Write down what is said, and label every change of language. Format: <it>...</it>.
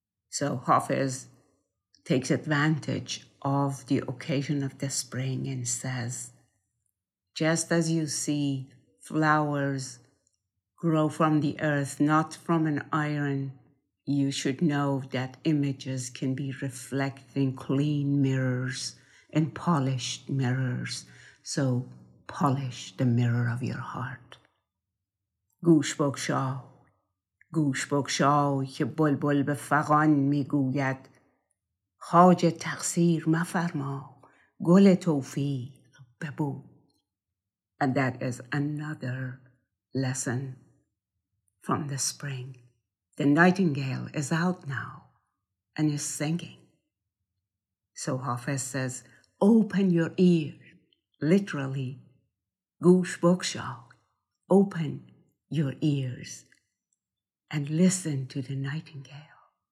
<en>So Hafiz takes advantage of the occasion of the spring and says, just as you see flowers grow from the earth, not from an iron, you should know that images can be reflecting clean mirrors in polished mirrors, so polish the mirror of your heart.</en> <fa>گوش بگشا، گوش بگشا که بلبل به فغان میگوید خواجه تقصیر مفرما گل توفیق ببو.</fa> <en>And that is another lesson from the spring. The nightingale is out now and is singing. So Hafiz says, open your ear, literally,</en> <fa>گوش بگشا,</fa> <en>open your ears and listen to the nightingale.</en>